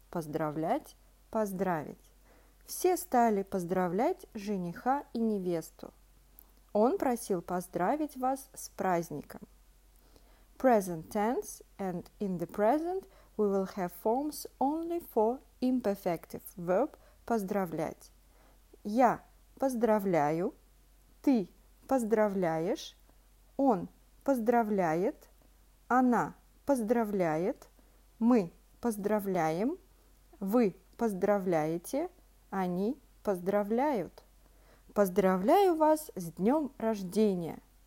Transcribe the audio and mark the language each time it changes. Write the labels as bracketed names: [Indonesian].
[Russian] Поздравлять, поздравить. Все стали поздравлять жениха и невесту. Он просил поздравить вас с праздником. [English] Present tense and in the present we will have forms only for imperfective verb поздравлять. [Russian] Я поздравляю, ты поздравляешь, он поздравляет, она поздравляет, мы поздравляем, вы поздравляете. Они поздравляют. Поздравляю вас с днем рождения.